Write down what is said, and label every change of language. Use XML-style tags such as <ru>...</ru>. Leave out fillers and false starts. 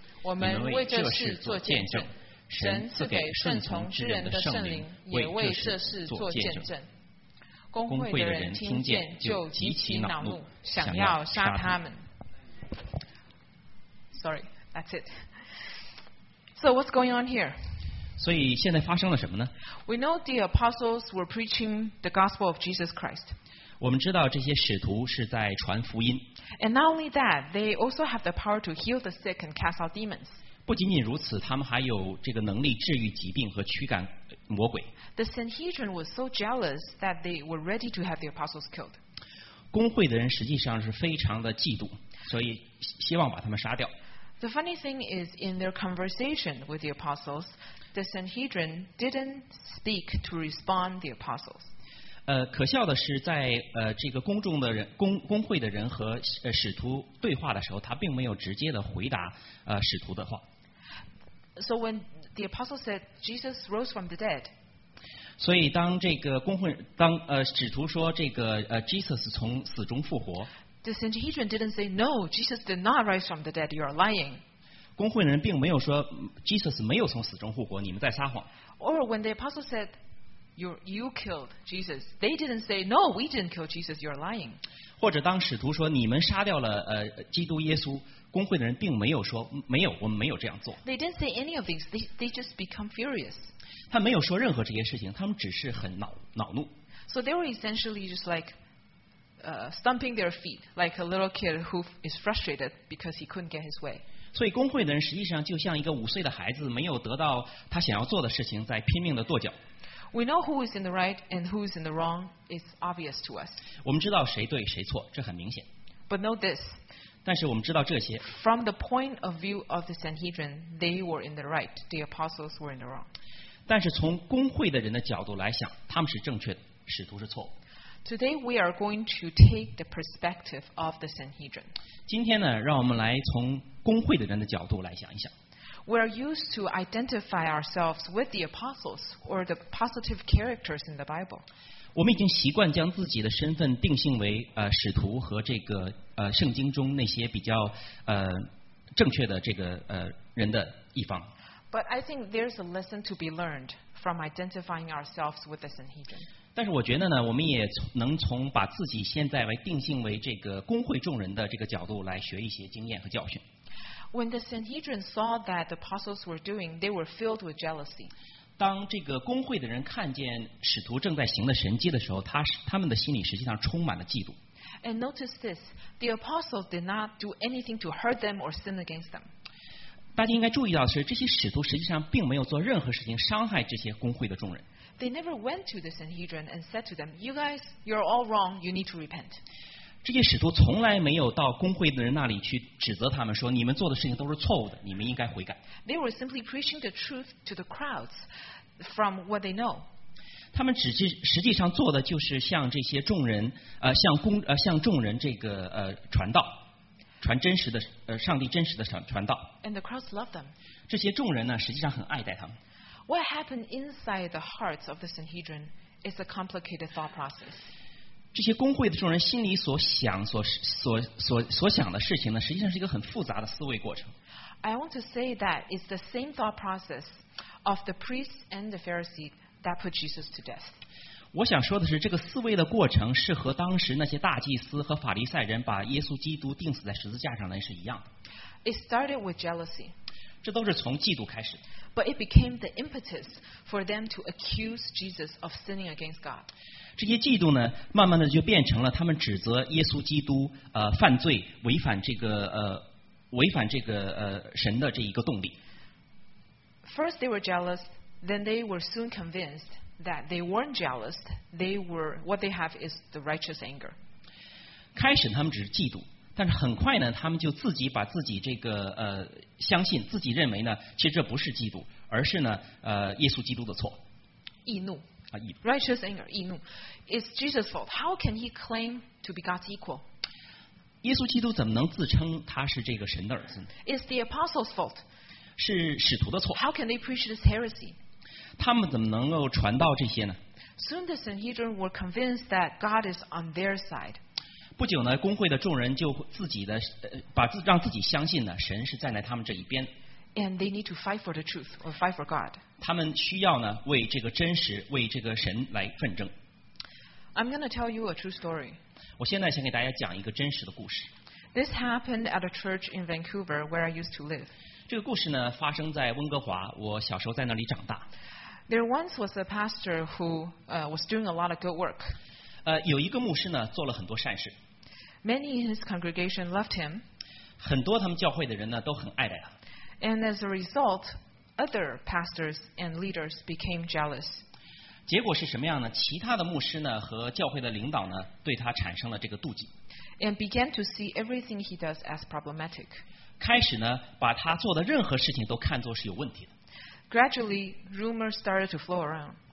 <zh>我们为这事做见证，神赐给顺从之人的圣灵，也为这事做见证。公会的人听见就极其恼怒，想要杀他们。</zh> <en>Sorry, that's it. So what's going on here?</en> <zh>所以现在发生了什么呢</zh> <en>？We know the apostles were preaching the gospel of Jesus Christ.</en> <zh>我们知道这些使徒是在传福音。</zh> <en>And not only that, they also have the power to heal the sick and cast out demons.</en> <zh>不仅仅如此，他们还有这个能力治愈疾病和驱赶魔鬼。</zh> <en>The Sanhedrin was so jealous that they were ready to have the apostles killed.</en> <zh>公会的人实际上是非常的嫉妒，所以希望把他们杀掉。</zh> <en>The funny thing is, in their conversation with the apostles. The Sanhedrin didn't speak to respond the apostles.</en> <zh>可笑的是在这个公众的人公会的人和使徒对话的时候，他并没有直接的回答使徒的话。</zh> <en>So when the apostles said Jesus rose from the dead.</en> <zh>所以当这个公会当使徒说这个Jesus 从死中复活。</zh> <en>The Sanhedrin didn't say no. Jesus did not rise from the dead. You are lying.</en> <zh>公会的人并没有说 Jesus 没有从死中复活，你们在撒谎。</zh> <en>Or when the apostles said you killed Jesus, they didn't say no, we didn't kill Jesus, you're lying.</en> <zh>或者当使徒说你们杀掉了基督耶稣，公会的人并没有说没有，我们没有这样做。</zh> <en>They didn't say any of these. They just become furious.</en> <zh>他没有说任何这些事情，他们只是很恼怒。</zh> <en>So they were essentially just like stomping their feet, like a little kid who is frustrated because he couldn't get his way.</en> <zh>所以公会的人实际上就像一个五岁的孩子没有得到他想要做的事情在拼命的跺脚。</zh> <en>We know who is in the right and who is in the wrong. It's obvious to us.</en> <zh>我们知道谁对谁错，这很明显。</zh> <en>But note this.</en> <zh>但是我们知道这些。</zh> <en>From the point of view of the Sanhedrin, they were in the right. The apostles were in the wrong.</en> <zh>但是从公会的人的角度来想，他们是正确的，使徒是错误。</zh> <en>Today we are going to take the perspective of the Sanhedrin.</en> <zh>今天呢，让我们来从公会的人的角度来想一想。</zh> <en>We are used to identify ourselves with the apostles or the positive characters in the Bible.</en> <zh>我们已经习惯将自己的身份定性为使徒和这个圣经中那些比较正确的这个人的一方。</zh> <en>But I think there's a lesson to be learned from identifying ourselves with the Sanhedrin.</en> <zh>但是我觉得呢，我们也能从把自己现在为定性为这个公会众人的这个角度来学一些经验和教训。</zh> <en>When the Sanhedrin saw that the apostles were doing, they were filled with jealousy.</en> <zh>当这个公会的人看见使徒正在行的神迹的时候，他们的心里实际上充满了嫉妒。</zh> <en>And notice this, the apostles did not do anything to hurt them or sin against them.</en> <zh>大家应该注意到的是，这些使徒实际上并没有做任何事情伤害这些公会的众人。</zh> <en>They never went to the Sanhedrin and said to them, "You guys, you're all wrong. You need to repent."</en> <zh>这些使徒从来没有到公会的人那里去指责他们，说你们做的事情都是错误的，你们应该悔改。</zh> <en>They were simply preaching the truth to the crowds from what they know.</en> <zh>他们实际上做的就是向这些众人向众人这个传道，传真实的上帝真实的传道。</zh> <en>And the crowds loved them.</en> <zh>这些众人呢，实际上很爱戴他们。</zh> <en>What happened inside the hearts of the Sanhedrin is a complicated thought process.</en> <zh>这些公会的众人心里所想、所想的事情呢，实际上是一个很复杂的思维过程。</zh> <en>I want to say that it's the same thought process of the priests and the Pharisees that put Jesus to death.</en> <zh>我想说的是，这个思维的过程是和当时那些大祭司和法利赛人把耶稣基督钉死在十字架上的是一样的。</zh> <en>It started with jealousy.</en> <zh>这都是从嫉妒开始的。</zh> <en>But it became the impetus for them to accuse Jesus of sinning against God.</en> <zh>这些嫉妒呢，慢慢的就变成了他们指责耶稣基督犯罪，违反这个神的这一个动力。</zh> <en>First they were jealous, then they were soon convinced that they weren't jealous. They were what they have is the righteous anger.</en> <zh>开始他们只是嫉妒。但是很快呢，他们就自己把自己这个相信自己认为呢，其实这不是嫉妒，而是呢耶稣基督的错。易怒啊，易怒</zh> <en>，righteous anger，</en> <zh>易怒</zh> <en>，it's Jesus' fault. How can he claim to be God's equal？</en> <zh>耶稣基督怎么能自称他是这个神的儿子</zh> <en>？It's the apostles' fault.</en> <zh>是使徒的错。</zh> <en>How can they preach this heresy？</en> <zh>他们怎么能够传道这些呢</zh> <en>？Soon the Sanhedrin were convinced that God is on their side.</en> <zh>不久呢，公会的众人就自己的让自己相信呢，神是站在他们这一边。</zh> <en>And they need to fight for the truth or fight for God.</en> <zh>他们需要呢，为这个真实，为这个神来奋争。</zh> <en>I'm going to tell you a true story.</en> <zh>我现在先给大家讲一个真实的故事。</zh> <en>This happened at a church in Vancouver where I used to live.</en> <zh>这个故事呢，发生在温哥华，我小时候在那里长大。</zh> <en>There once was a pastor who was doing a lot of good work.</en> <zh>有一个牧师呢，做了很多善事。</zh> <en>Many in his congregation loved him.</en> <zh>很多他们教会的人呢，都很爱戴他。</zh> <en>And as a result, other pastors and leaders became jealous.</en> <zh>结果是什么样呢？其他的牧师呢，和教会的领导呢，对他产生了这个妒忌。</zh> <en>And began to see everything he does as problematic.</en> <zh>开始呢，把他做的任何事情都看作是有问题的。</zh> <en>Gradually, rumors started to flow around.</en>